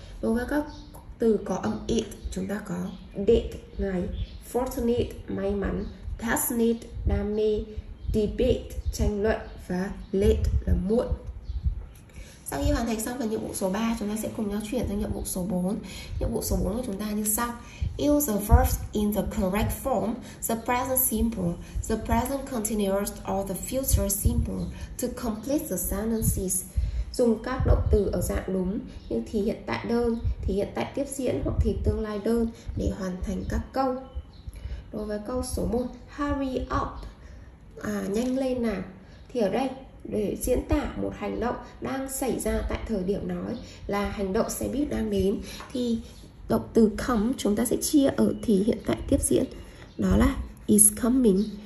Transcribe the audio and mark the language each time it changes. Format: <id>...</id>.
<vi>Đối với các từ có âm it, chúng ta có date, ngày, fortunate, may mắn, passionate, đam mê, debate, tranh luận và late là muộn. Sau khi hoàn thành xong phần nhiệm vụ số 3, chúng ta sẽ cùng nhau chuyển sang nhiệm vụ số 4. Nhiệm vụ số 4 của chúng ta như sau.</vi> <en>Use the verbs in the correct form, the present simple, the present continuous or the future simple to complete the sentences.</en> <vi>Dùng các động từ ở dạng đúng như thì hiện tại đơn, thì hiện tại tiếp diễn hoặc thì tương lai đơn để hoàn thành các câu. Đối với câu số 1,</vi> <en>hurry up,</en> <vi>nhanh lên nào. Thì ở đây để diễn tả một hành động đang xảy ra tại thời điểm nói là hành động xe buýt đang đến, thì động từ come chúng ta sẽ chia ở thì hiện tại tiếp diễn, đó là is coming.</vi>